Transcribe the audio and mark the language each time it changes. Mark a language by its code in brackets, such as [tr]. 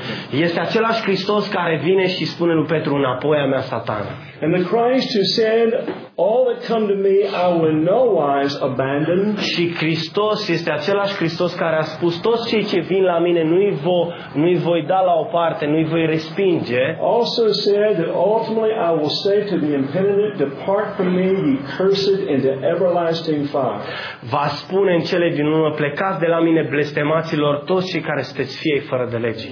[ro] Este același Hristos care vine și spune lui Petru, înapoi a mea, Satan. [en] And the Christ who said, all that come to me I will in no wise abandon. [ro] Și Hristos este același Hristos care a spus, toți cei ce vin la mine nu-i voi da la o parte, nu-i voi respinge. [en] Also said that ultimately I will say to the impenitent, depart from me, ye cursed, into everlasting fire. [ro] Va spune în cele din urmă, plecați de la mine, blestemaților, toți cei care sunteți fii fără de lege.